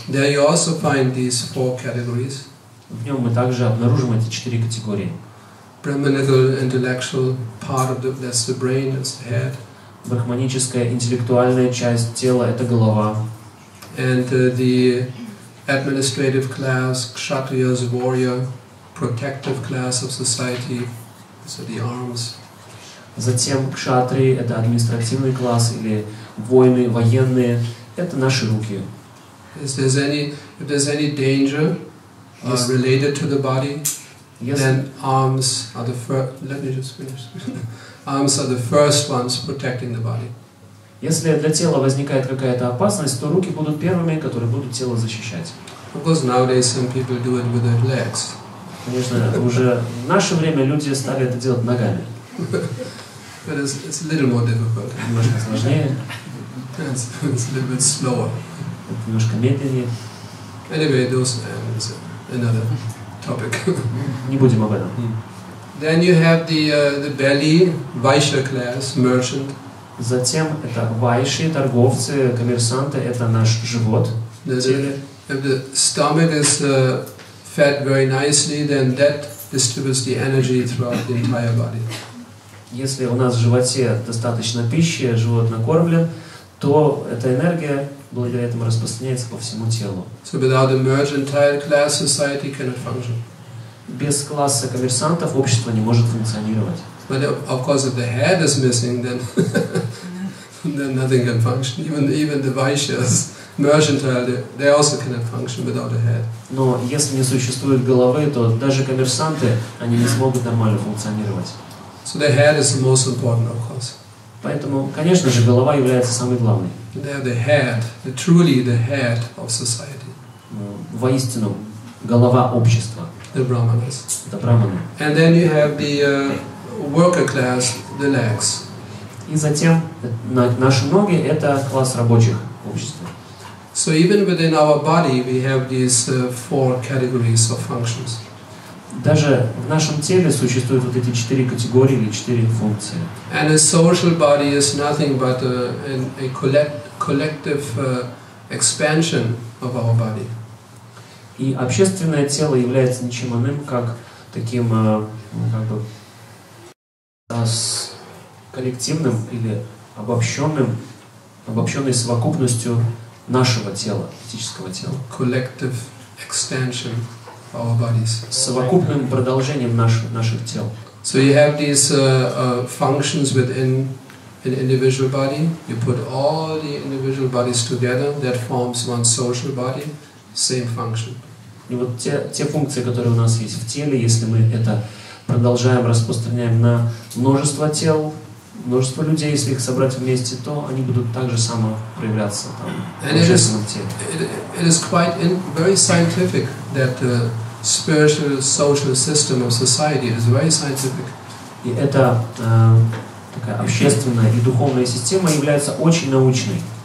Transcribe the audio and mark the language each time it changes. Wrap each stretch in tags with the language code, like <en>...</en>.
<en>There you also find these four categories.</en> <ru>В нем мы также обнаружим эти четыре категории.</ru> <en>Brahmanical intellectual part of the, that's the brain, that's the head.</en> <ru>Брахманическая интеллектуальная часть тела — это голова.</ru> <en>And the administrative class, kshatriyas, warrior, protective class of society, so the arms.</en> <ru>Затем кшатри — это административный класс, или воины, военные — это наши руки.</ru> <en>If there's any danger related to the body, then arms are the first... Let me just finish. Arms are the first ones protecting the body.</en> <ru>Если для тела возникает какая-то опасность, то руки будут первыми, которые будут тело защищать.</ru> <en>Of course, nowadays some people do it with their legs.</en> <ru>Конечно, уже в наше время люди стали это делать ногами.</ru> <en>But it's a little more difficult.</en> <ru>Немножко сложнее.</ru> <en>It's a little bit slower.</en> <ru>Это немножко медленнее.</ru> <en>Anyway, those is another topic.</en> <ru>Не будем об этом.</ru> <en>Then you have the belly, Vaishya class, merchant.</en> <ru>Затем это вайши, торговцы, коммерсанты, это наш живот.</ru> <en>If the stomach is fed very nicely, then that distributes the energy throughout the entire body.</en> <ru>Если у нас в животе достаточно пищи, живот накормлен, то эта энергия благодаря этому распространяется по всему телу.</ru> <en>So without a mercantile class, society cannot function.</en> <ru>Без класса коммерсантов общество не может функционировать.</ru> <en>But of course, if the head is missing, then nothing can function. Even the vaishyas, mercantile, they also cannot function without a head.</en> <ru>Но если не существует головы, то даже коммерсанты они не смогут нормально функционировать.</ru> <en>So the head is the most important, of course.</en> <ru>Поэтому, конечно же, голова является самой главной.</ru> <en>They are the head, the truly the head of society.</en> <ru>Воистину, голова общества.</ru> <en>The brahmanas.</en> <ru>Это брахманы.</ru> <en>And then you have the worker class, the legs.</en> <ru>И затем наши ноги — это класс рабочих общества.</ru> <en>So even within our body we have these four categories of functions.</en> <ru>Даже в нашем теле существуют вот эти четыре категории или четыре функции.</ru> <en>And a social body is nothing but a collective expansion of our body.</en> <ru>И общественное тело является ничем иным, как таким с коллективным или обобщенной совокупностью нашего тела, физического тела.</ru> <en>Collective extension of our bodies.</en> <ru>Совокупным продолжением наших тел.</ru> <en>So you have these functions within an individual body. You put all the individual bodies together, that forms one social body, same function.</en> <ru>И вот те функции, которые у нас есть в теле, если мы это продолжаем, распространяем на множество тел, множество людей, если их собрать вместе, то они будут так же само проявляться там,</ru> <en>and</en> <ru>в общественном теле.</ru> <en>It is quite very scientific that the spiritual social system of society is very scientific.</en> <ru>И эта такая общественная и духовная система является очень научной.</ru>